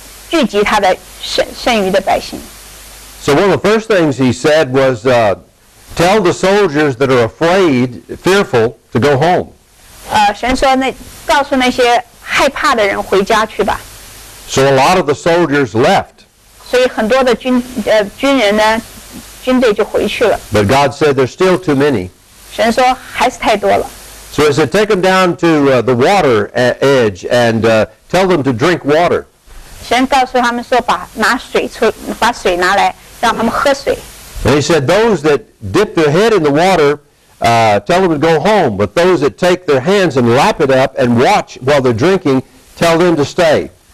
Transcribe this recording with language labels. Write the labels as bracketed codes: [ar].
[zh] 神对基甸说聚集他的剩余的百姓。 [en] So one of the first things he said was tell the soldiers that are afraid, fearful, to go home. [zh] 神说那告诉那些害怕的人回家去吧。 [en] So a lot of the soldiers left. [zh] 所以很多的军人呢,军队就回去了。 [en] But God said there's still too many. [zh] 神说还是太多了。 [en] So he said, take them down to the water edge and tell them to drink water. [zh] 神告诉他们说把水拿来,让他们喝水。 [en] And he said, those that dip their head in the water, tell them to go home, but those that take their hands and lap it up and watch while they're drinking, tell them to stay.